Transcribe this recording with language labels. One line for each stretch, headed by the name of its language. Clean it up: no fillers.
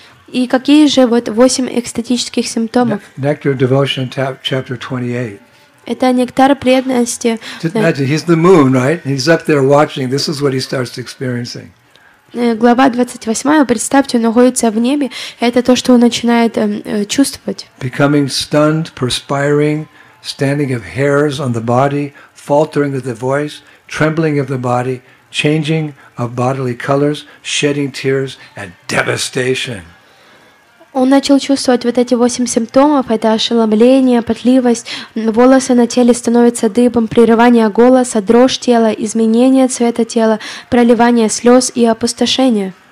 Russian: И какие же вот 8 экстатических симптомов?
English: Nectar of devotion, chapter 28.
Russian: Это нектар преданности.
English: Imagine, he's the moon, right? He's up there watching. This is what he starts experiencing.
Russian: Глава 28, представьте, он находится в небе. Это то, что он начинает чувствовать.
English: Becoming stunned, perspiring, standing of hairs on the body, faltering of the voice, trembling of the body, changing of bodily colors, shedding tears, and devastation.
Russian: Он начал чувствовать вот эти 8 симптомов. Это ошеломление, потливость, волосы на теле становятся дыбом, прерывание голоса, дрожь тела, изменение цвета тела, проливание слез и опустошение.